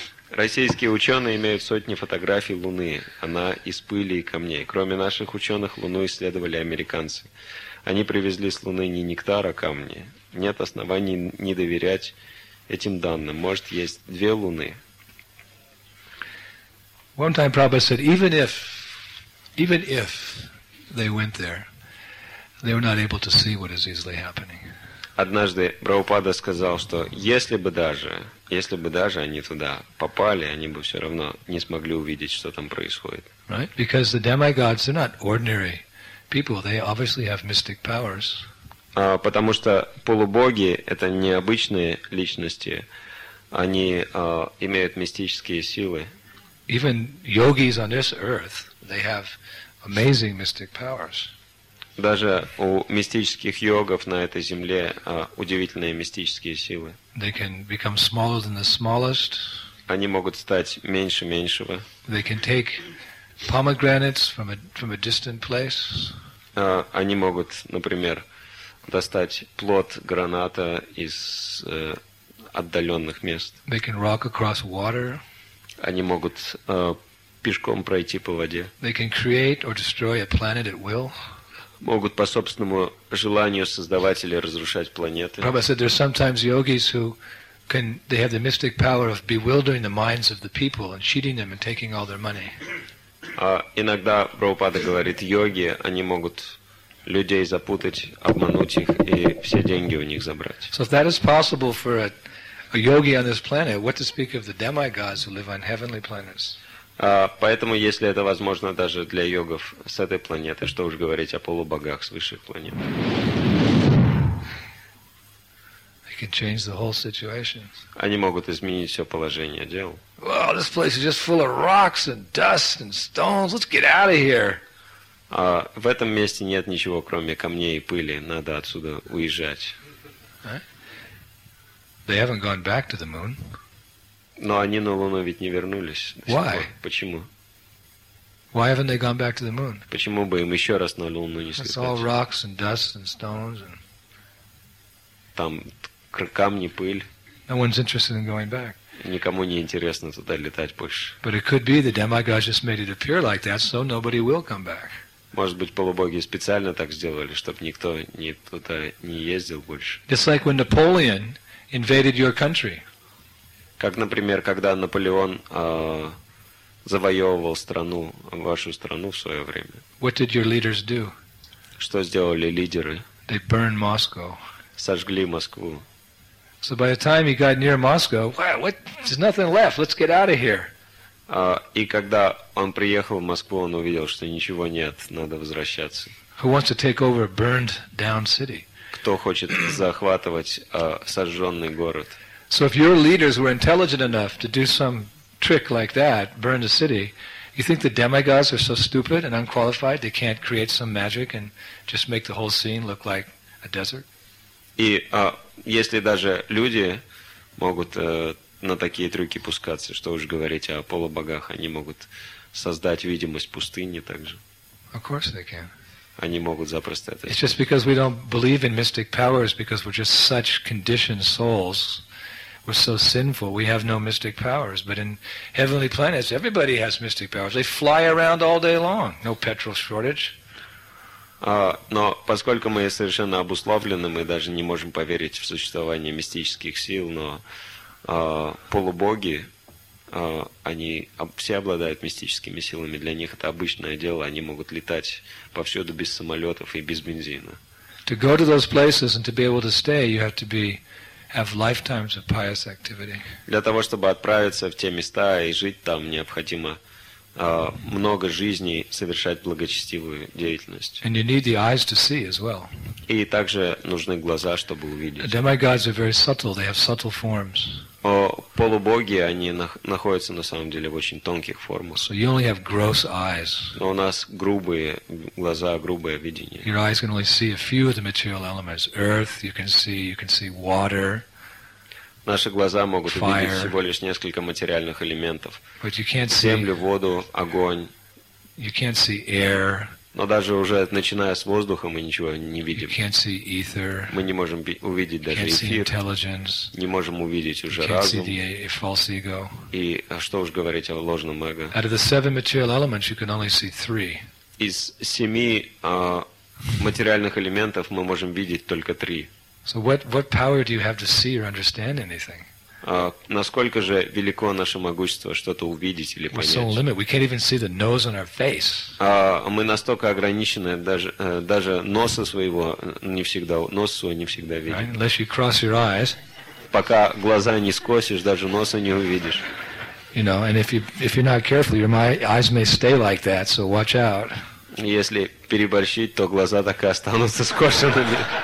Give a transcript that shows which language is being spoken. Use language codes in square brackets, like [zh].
[ru] Российские ученые имеют сотни фотографий Луны. Она из пыли и камней. Кроме наших ученых, Луну исследовали американцы. Они привезли с Луны не нектар, а камни. Нет оснований не доверять этим данным. Может, есть две Луны? [en] One time Prabhupada said, even if they went there, they were not able to see what is easily happening. [ru] Однажды Прабхупада сказал, что если бы даже они туда попали, они бы все равно не смогли увидеть, что там происходит. [en] Right? Because the demigods are not ordinary people. They obviously have mystic powers. [ru] Потому что полубоги — это необычные личности. Они имеют мистические силы. [en] Even yogis on this earth, they have amazing mystic powers. [ru] Даже у мистических йогов на этой земле удивительные мистические силы. [en] They can become smaller than the smallest. [ru] Они могут стать меньше меньшего. [en] They can take pomegranates from a distant place. [ru] Они могут, например, достать плод граната из отдаленных мест. [en] They can walk across water. [ru] Они могут пешком пройти по воде. [en] They can create or destroy a planet at will. [ru] Могут по собственному желанию создавать или разрушать планеты. [en] Prabhupada said there are sometimes yogis who can they have the mystic power of bewildering the minds of the people and cheating them and taking all their money. [ru] Иногда Прабхупада говорит, йоги, они могут людей запутать, обмануть их и все деньги у них забрать. [en] So if that is possible for a yogi on this planet, what to speak of the demigods who live on heavenly planets? [ru] Поэтому, если это возможно даже для йогов с этой планеты, что уж говорить о полубогах с высших планет. [en] They can change the whole situation. [ru] Они могут изменить все положение дел. [en] Well, this place is just full of rocks and dust and stones. Let's get out of here. [ru] В этом месте нет ничего, кроме камней и пыли. Надо отсюда уезжать. [en] They haven't gone back to the moon. [ru] Но они на Луну ведь не вернулись. [en] Why? [ru] Почему? [en] Why haven't they gone back to the moon? [ru] Почему бы им еще раз на Луну не слетать? [en] It's all rocks and dust and stones and [ru] там камни, пыль. [en] No one's interested in going back. [ru] Никому не интересно туда летать больше. [en] But it could be the demigods just made it appear like that, so nobody will come back. [ru] Может быть, полубоги специально так сделали, чтобы никто не туда не ездил больше. [en] It's like when Napoleon invaded your country. [ru] Как, например, когда Наполеон завоевывал страну, вашу страну в свое время. [en] What did your leaders do? [ru] Что сделали лидеры? [en] They burned Moscow. [ru] Сожгли Москву. [en] So by the time he got near Moscow, what? There's nothing left. Let's get out of here. [ru] И когда он приехал в Москву, он увидел, что ничего нет, надо возвращаться. [en] Who wants to take over a burned down city? [ru] Кто хочет захватывать сожженный город? [en] So if your leaders were intelligent enough to do some trick like that, burn the city, you think the demigods are so stupid and unqualified they can't create some magic and just make the whole scene look like a desert? [ru] И если даже люди могут на такие трюки пускаться, что уж говорить о полубогах, они могут создать видимость пустыни также. [en] Of course they can. [ru] Они могут запросто это. [en] It's just because we don't believe in mystic powers because we're just such conditioned souls. We're so sinful. We have no mystic powers. But in heavenly planets, everybody has mystic powers. They fly around all day long. No petrol shortage. [ru] Но поскольку мы совершенно обусловлены, мы даже не можем поверить в существование мистических сил, но полубоги, они все обладают мистическими силами. Для них это обычное дело. Они могут летать повсюду без самолетов и без бензина. [en] To go to those places and to be able to stay, you have to be have lifetimes of pious activity. [ru] Для того, чтобы отправиться в те места и жить там, необходимо много жизней совершать благочестивую деятельность. [en] And you need the eyes to see as well. [ru] И также нужны глаза, чтобы увидеть. [en] Demigods are very subtle. They have subtle forms. [ru] Полубоги, они находятся на самом деле в очень тонких формах. [en] So you only have gross eyes. [ru] Но у нас грубые глаза, грубое видение. [en] Your eyes can only see a few of the material elements. Earth, you can see water. [ru] Наши глаза могут увидеть всего лишь несколько материальных элементов. Землю, воду, огонь. [en] You can't see air. [ru] Но даже уже начиная с воздуха мы ничего не видим. [en] You can't see ether. [ru] Мы не можем увидеть даже эфир. [en] You can't see intelligence. [ru] Не можем увидеть уже [en] you can't [ru] разум. [en] See the false ego. [ru] И что уж говорить о ложном эго. [en] Out of the seven material elements, you can only see three. [ru] Из семи материальных элементов мы можем видеть только три. [en] So what power do you have to see or understand anything? [ru] Насколько же велико наше могущество что-то увидеть или понять? [en] We're so limited. We can't even see the nose on our face. [ru] Мы настолько ограничены, даже носа своего не всегда нос свой не всегда видим. [en] Right? Unless you cross your eyes. [ru] Пока глаза не скосишь, даже носа не увидишь. [en] You know, and if you're not careful, your eyes may stay like that. So watch out. [ru] Если переборщить, то глаза так и останутся скошенными.